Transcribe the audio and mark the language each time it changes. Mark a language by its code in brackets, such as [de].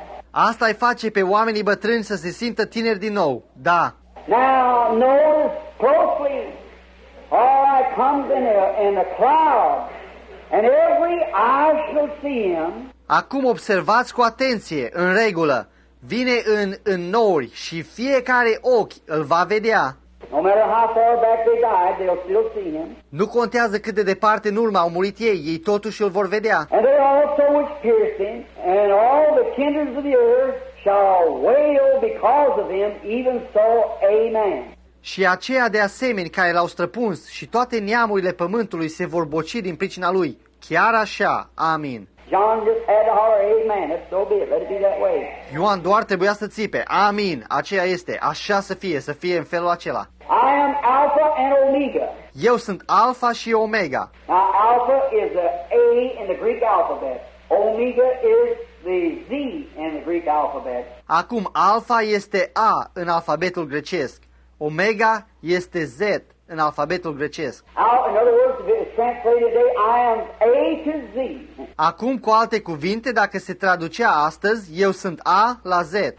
[ro] Asta îi face pe oamenii bătrâni să se simtă tineri din nou. Da. [en] Now notice closely. All I come in a cloud, and every eye shall see him. [ro] Acum observați cu atenție, în regulă. Vine în nori și fiecare ochi îl va vedea. [en] No matter how far back they died, they'll still see him. [ro] Nu contează cât de departe în urmă au murit ei, ei totuși îl vor vedea. [en] And they also which pierced him, and all the kindreds of the earth shall wail because of him, even so, amen. [ro] Și aceia de asemenea care l-au străpuns și toate neamurile pământului se vor boci din pricina lui. Chiar așa, amin. [en] John just had to holler, amen, if so be it, let it be that way. [ro] Ioan doar trebuia să țipe, amin, aceea este, așa să fie, să fie în felul acela. [en] I am Alpha and Omega. [ro] Eu sunt Alpha și Omega. [en] Now Alpha is the A in the Greek alphabet. Omega is the Z in the Greek alphabet. [ro] Acum Alpha este A în alfabetul grecesc. Omega este Z în alfabetul grecesc. [en] In other words, translated today, I am A to Z. [ro] Acum, cu alte cuvinte, dacă se traducea astăzi, eu sunt A la Z.